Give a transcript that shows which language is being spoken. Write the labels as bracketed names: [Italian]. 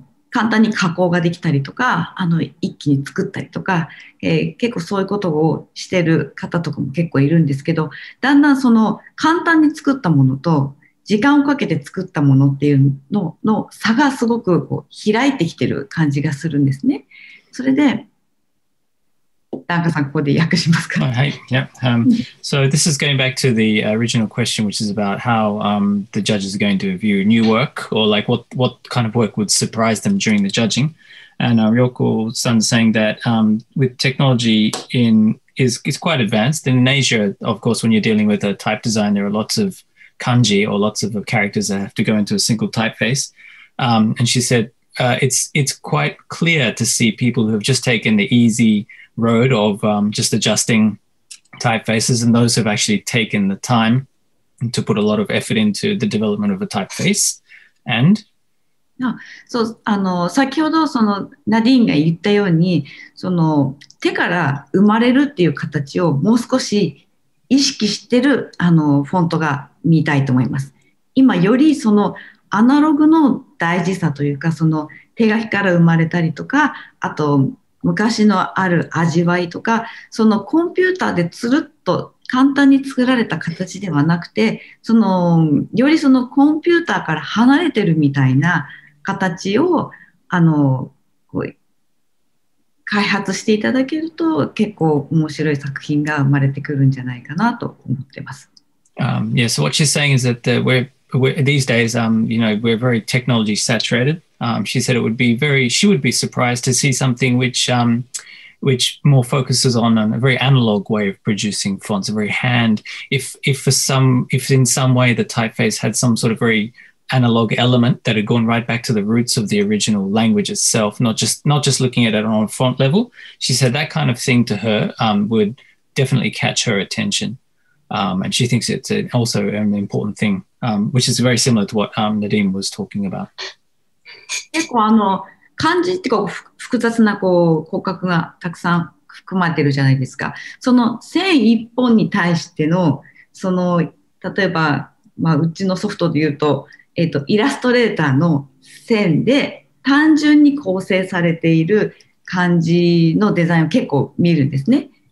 [Japanese] 簡単に加工ができたりとか一気に作ったりとか、結構そういうことをしてる方とかも結構いるんですけどだんだんその簡単に作ったものと時間をかけて作ったものっていうのの差がすごくこう開いてきてる感じがするんですね。それで、ダンカさんここで訳しますか。はい、はい。 [English] So this is going back to the original question, which is about how the judges are going to view new work or like what kind of work would surprise them during the judging. And Ryoko-san saying that with technology is quite advanced. And in Asia, of course, when you're dealing with a type design, there are lots of kanji or lots of characters that have to go into a single typeface. And she said, it's quite clear to see people who have just taken the easy road of just adjusting typefaces and those who have actually taken the time to put a lot of effort into the development of a typeface. And? Yeah. [Japanese] So, 先ほどその Nadine が言ったように、その手から生まれるっていう形をもう少し意識してるあのフォントが見たいと思います。今よりそのアナログの大事さというかその手書きから生まれたりとかあと昔のある味わいとかそのコンピューターでつるっと簡単に作られた形ではなくてそのよりそのコンピューターから離れてるみたいな形をあのこう開発していただけると結構面白い作品が生まれてくるんじゃないかなと思ってます。 [English] Yeah, so what she's saying is that we're these days, you know, we're very technology saturated. She said it would be she would be surprised to see something which more focuses on a very analog way of producing fonts, a very hand. If in some way the typeface had some sort of very analog element that had gone right back to the roots of the original language itself, not just looking at it on a font level. She said that kind of thing to her would definitely catch her attention. And she thinks it's also an important thing, which is very similar to what Nadine was talking about. [Japanese] 結構複雑な骨格がたくさん含まれてるじゃないですか。その線一本に対しての、例えば、うちのソフトで言うと、イラストレーターの線で単純に構成されている感じのデザインを結構見るんですね。